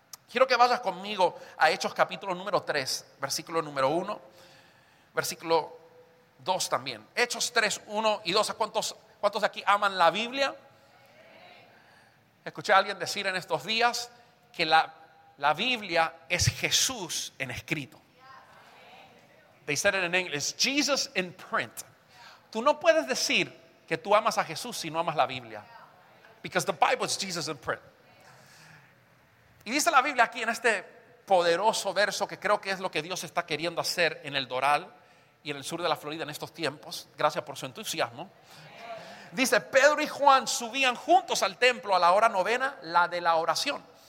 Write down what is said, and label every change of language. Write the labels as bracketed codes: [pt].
[es] Quiero que vayas conmigo a Hechos capítulo número 3, versículo número 1, versículo 2 también. Hechos 3, 1 y 2. ¿Cuántos de aquí aman la Biblia? Escuché a alguien decir en estos días que la Biblia es Jesús en escrito. [en] They said it in English, Jesus in print. [es] Tú no puedes decir que tú amas a Jesús si no amas la Biblia. [en] Because the Bible is Jesus in print. [es] Y dice la Biblia aquí en este poderoso verso, que creo que es lo que Dios está queriendo hacer en el Doral y en el sur de la Florida en estos tiempos. Gracias por su entusiasmo. Dice: Pedro y Juan subían juntos al templo a la hora novena, la de la oración.